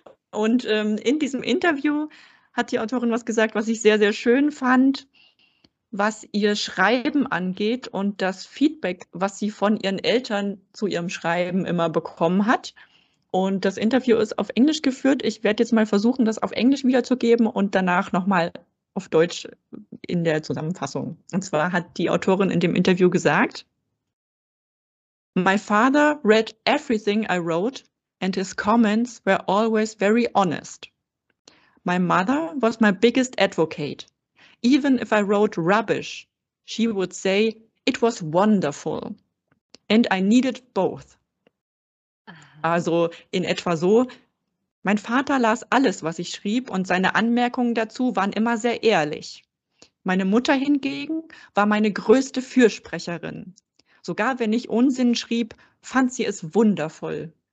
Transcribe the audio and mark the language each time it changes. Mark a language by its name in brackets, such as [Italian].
[German] Und in diesem Interview hat die Autorin was gesagt, was ich sehr, sehr schön fand, was ihr Schreiben angeht und das Feedback, was sie von ihren Eltern zu ihrem Schreiben immer bekommen hat. Und das Interview ist auf Englisch geführt. Ich werde jetzt mal versuchen, das auf Englisch wiederzugeben und danach nochmal auf Deutsch in der Zusammenfassung. Und zwar hat die Autorin in dem Interview gesagt: [English] My father read everything I wrote and his comments were always very honest. My mother was my biggest advocate. Even if I wrote rubbish, she would say, it was wonderful. And I needed both. [German] Also in etwa so, mein Vater las alles, was ich schrieb, und seine Anmerkungen dazu waren immer sehr ehrlich. Meine Mutter hingegen war meine größte Fürsprecherin. Sogar wenn ich Unsinn schrieb, fand sie es wundervoll.